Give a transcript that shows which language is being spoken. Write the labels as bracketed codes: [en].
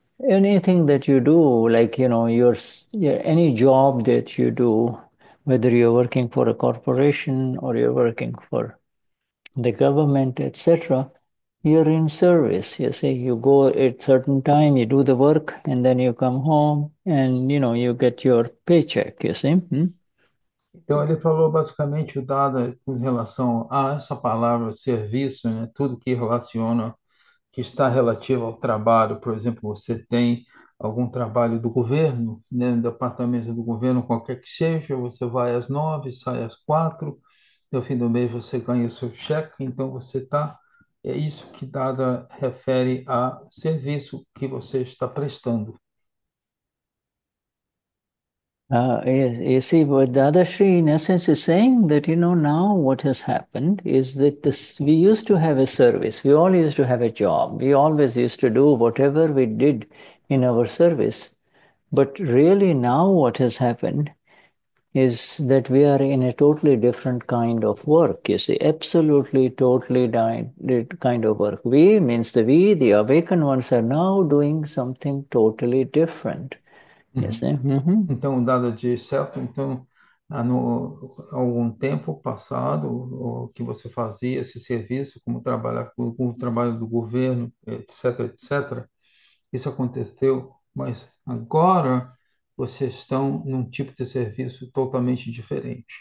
[en] Anything that you do, like your any job that you do, whether you're working for a corporation or you're working for the government, etc., you're in service. You see, you go at certain time, you do the work, and then you come home, and you get your paycheck. You see? [pt] Então, ele falou basicamente o dado com relação a essa palavra serviço, né? Tudo que relaciona, que está relativo ao trabalho. Por exemplo, você tem algum trabalho do governo, né? No departamento do governo, qualquer que seja, você vai às 9, sai às 4, no fim do mês você ganha o seu cheque. Então, você está. É isso que dado refere a serviço que você está prestando. [en] You see, what Dadashree, in essence, is saying that, now what has happened is that we used to have a service. We all used to have a job. We always used to do whatever we did in our service. But really, now what has happened is that we are in a totally different kind of work, you see, absolutely, totally different kind of work. We means the awakened ones are now doing something totally different, you see. [pt] Então, dado de certo, então, há algum tempo passado, o que você fazia esse serviço, como trabalhar com o trabalho do governo, etc., etc., isso aconteceu, mas agora vocês estão num tipo de serviço totalmente diferente.